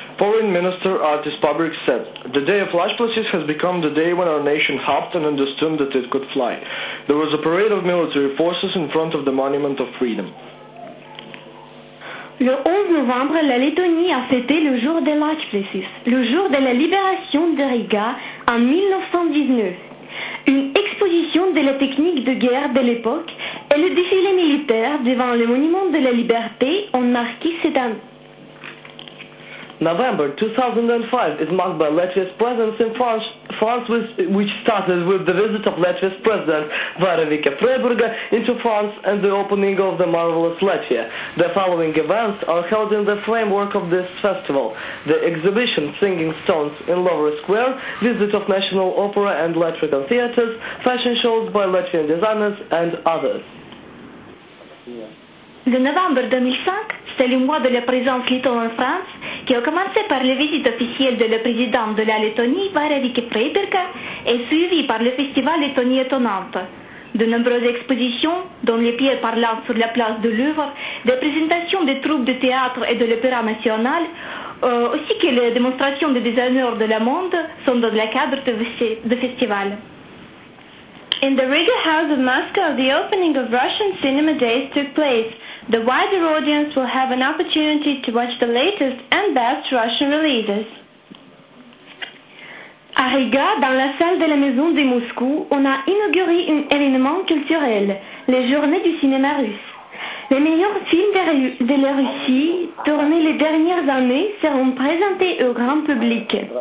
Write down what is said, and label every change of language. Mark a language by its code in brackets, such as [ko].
[en] Foreign Minister Artis Pabrik said, "The day of Lajplasis has become the day when our nation hopped and understood that it could fly. There was a parade of military forces in front of the Monument of Freedom." [fr] Le 11 novembre, la Lettonie a fêté le jour de Lajplasis, le jour de la libération de Riga en 1919. Une exposition de la technique de guerre de l'époque et le défilé militaire devant le Monument de la Liberté ont marqué cette année. [en] November 2005 is marked by Latvia's presence in France, which started with the visit of Latvia's president, Varavika Freiburga, into France and the opening of the marvelous Latvia. The following events are held in the framework of this festival. The exhibition Singing Stones in Lower Square, visit of National Opera and Latvian theaters, fashion shows by Latvian designers and others. Yeah. [fr] Le novembre 2005, c'est le mois de la présence lettonne en France, qui a commencé par la visite officielle de le président de la Lettonie, Vairavike Peiberka, et suivi par le festival Lettonie étonnante. De nombreuses expositions, dont les pierres parlantes sur la place de Louvre, des présentations des troupes de théâtre et de l'opéra national, aussi que les démonstrations des designers de la mode, sont dans le cadre de festival. [en] In the Riga House of Moscow, the opening of Russian Cinema Days took place. The wider audience will have an opportunity to watch the latest and best Russian releases. [fr] À Riga, dans la salle de la Maison de Moscou, on a inauguré un événement culturel, les Journées du cinéma russe. Les meilleurs films de la Russie, tournés les dernières années, seront présentés au grand public.